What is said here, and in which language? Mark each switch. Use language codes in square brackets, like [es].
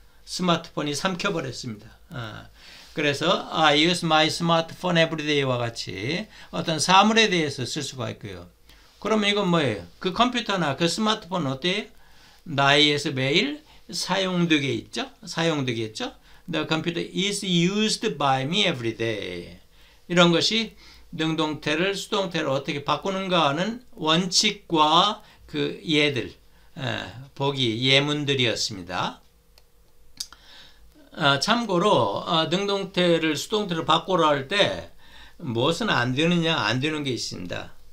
[ko] 스마트폰이 삼켜버렸습니다. 그래서 [en] I use my smartphone every day [ko] 와 같이 어떤 사물에 대해서 쓸 수가 있고요. 그러면 이건 뭐예요? 그 컴퓨터나 그 스마트폰은 어때요? 나이에서 매일 사용되게 있죠? 사용되겠죠? [en] The computer is used by me every day. [ko] 이런 것이 능동태를 수동태로 어떻게 바꾸는가 하는 원칙과 그 예들, 보기 예문들이었습니다. 참고로 능동태를 수동태로 바꾸려 할 때 무엇은 안 되느냐 안 되는 게 있습니다.